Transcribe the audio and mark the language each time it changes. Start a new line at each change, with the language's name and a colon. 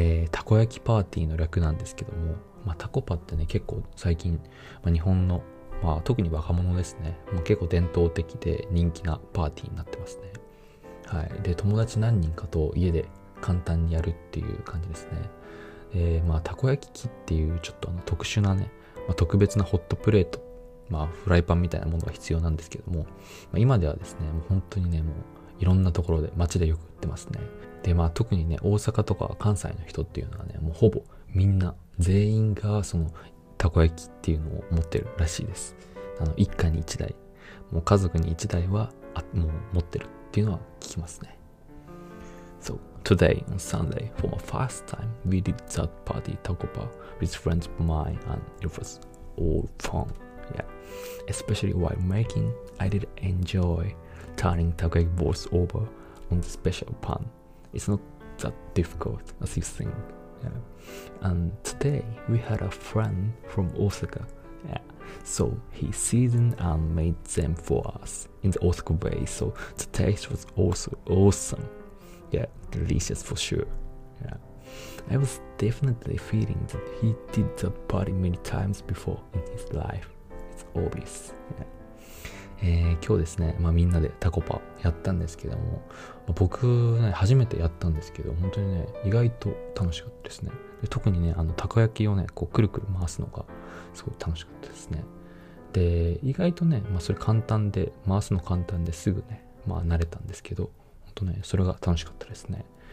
Japanese: たこ焼きパーティーの略なんですけども、まあ、タコパってね結構最近、まあ、日本の、まあ、特に若者ですね、まあ、結構伝統的で人気なパーティーになってますね、はい、で友達何人かと家で簡単にやるっていう感じですね、まあ、たこ焼き器っていうちょっとあの特殊なね、まあ、特別なホットプレート、まあ、フライパンみたいなものが必要なんですけども、まあ、今ではですねもう本当にねもういろんなところで街でよく売ってますね。でまあ特にね大阪とか関西の人っていうのはねもうほぼみんな全員がそのたこ焼きっていうのを持ってるらしいです。あの一家に一台、もう家族に一台はあもう持ってるっていうのは聞きますね。
English: So today on Sunday for my first time we did that party takopa with friends of mine and it was all fun. Yeah, especially while making, I did enjoy turning takoyaki balls over on the special pan. It's not that difficult as you think. Yeah. And today we had a friend from Osaka. Yeah. So he seasoned and made them for us in the Osaka way. So the taste was also awesome. Yeah, delicious for sure. Yeah. I was definitely feeling that he did that party many times before in his life. It's obvious. Yeah.
Japanese: 今日ですね、まあ、みんなでタコパやったんですけども、まあ、僕、ね、初めてやったんですけど本当にね意外と楽しかったですね。で特にねあのたこ焼きをねこうくるくる回すのがすごい楽しかったですね。で意外とね、まあ、それ簡単で回すの簡単ですぐね、まあ、慣れたんですけど本当ねそれが楽しかったですね。